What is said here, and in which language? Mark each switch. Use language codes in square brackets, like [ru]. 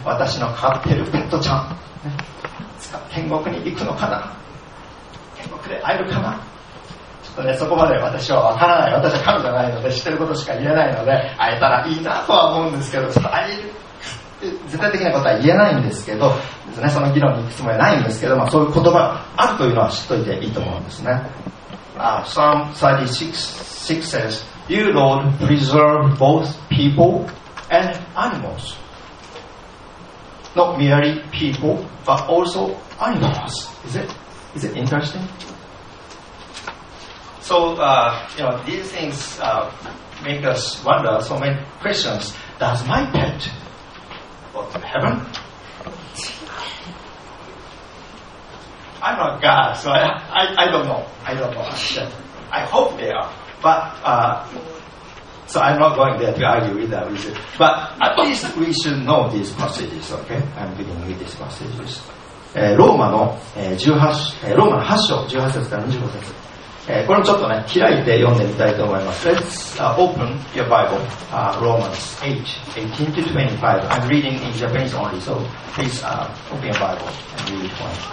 [ja] 私の飼ってるペットちゃん、天国に行くのかな、天国で会えるかな。そこまで私は分からない、私は神じゃないので知ってることしか言えないので、会えたらいいなとは思うんですけど、ちょっと会える絶対的なことは言えないんですけどですね、その議論に行くつもりはないんですけど、まあ、そういう言葉があるというのは知っておいていいと思うんですね。 [en] Psalm 36 says You Lord preserve both people and animals, not merely people but also animals. Is it interesting So, these things make us wonder, so many questions. Does my pet go to heaven? I'm not God, so I don't know. I don't know. I hope they are. But, so I'm not going there to argue with that reason. But at least we should know these passages, okay? I'm beginning with these passages. [ja] ローマの8章、18節から25節。これをちょっとね開いて読んでみたいと思います。 [en] Let's open your Bible, Romans 8:18-25. I'm reading in Japanese only, so please open your Bible and read it for me.